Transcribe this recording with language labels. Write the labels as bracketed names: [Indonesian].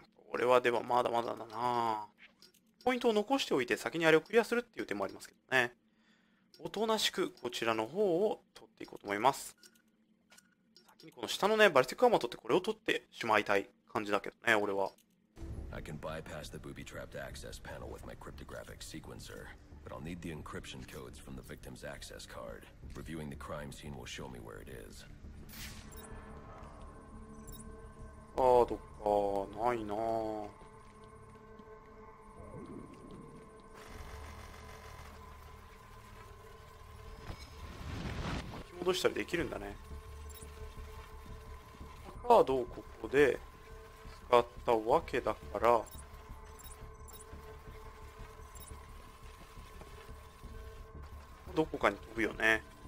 [Japanese] これはでもまだまだだな。ポイントを残しておいて先にあれをクリアするっていう手もありますけどね。おとなしくこちらの方を取っていこうと思います。先にこの下のね、バリティックアーマー取ってこれを取ってしまいたい感じだけどね、俺は。 [English] I can bypass the booby-trapped access panel with my cryptographic sequencer, but I'll need the encryption codes from the victim's access card. Reviewing the crime scene will show me where it is. [Japanese] カードか、ないな。巻き戻したりできるんだね。カードをここで。使ったわけだから どこかに飛ぶよね。